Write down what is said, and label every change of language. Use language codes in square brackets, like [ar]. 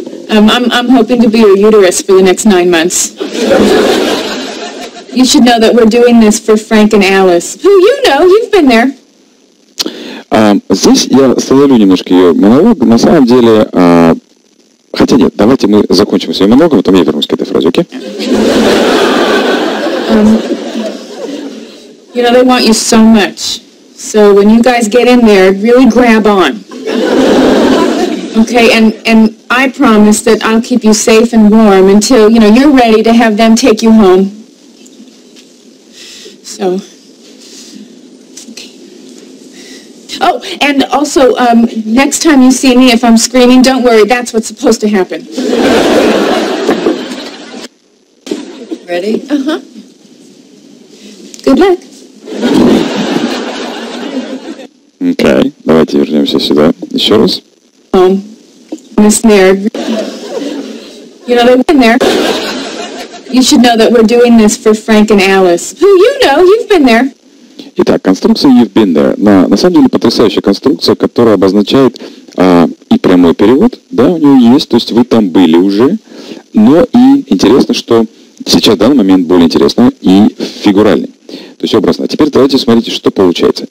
[en] I'm hoping to be your uterus for the next 9 months. You should know that we're doing this for Frank and Alice, who you know, you've been there. [ru] Здесь я остановлю немножко ее монолог. На самом деле, хотя нет, давайте мы закончим с ее монолог, потом я вернусь к этой фразе, окей? [en] You know, they want you so much. So when you guys get in there, really grab on. Okay, and I promise that I'll keep you safe and warm until, you know, you're ready to have them take you home. So, okay. Oh, and also, next time you see me, if I'm screaming, don't worry, that's what's supposed to happen. Ready? Uh-huh. Good luck. [ru] Okay, давайте вернемся сюда еще раз. [en] You know, they've been there. You should know that we're doing this for Frank and Alice, who you know, you've been there. [ru] Итак, конструкция [en] you've been there. [ru] На самом деле потрясающая конструкция, которая обозначает и прямой перевод, да, у нее есть, то есть вы там были уже, но и интересно, что сейчас в данный момент более интересно и фигуральный. То есть образно. А теперь давайте смотрите, что получается.